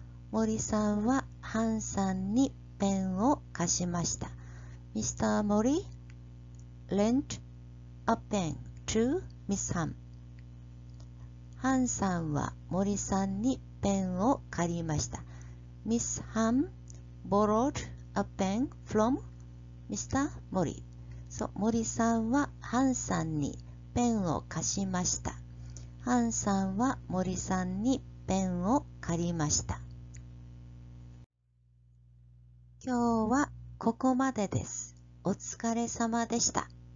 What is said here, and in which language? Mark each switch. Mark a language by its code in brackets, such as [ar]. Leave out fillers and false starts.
[ja] 森さんはハンさんにペンを貸しました。 [en] Mr. Mori lent a pen to Miss Han。 [ja] ハンさんは森さんにペンを借りました。 [en] Miss Han borrowed a pen from Mr. Mori. [ja] So, 森さんはハンさんにペンを貸しました。ハンさんは森さんにペンを借りました。今日はここまでです。お疲れ様でした。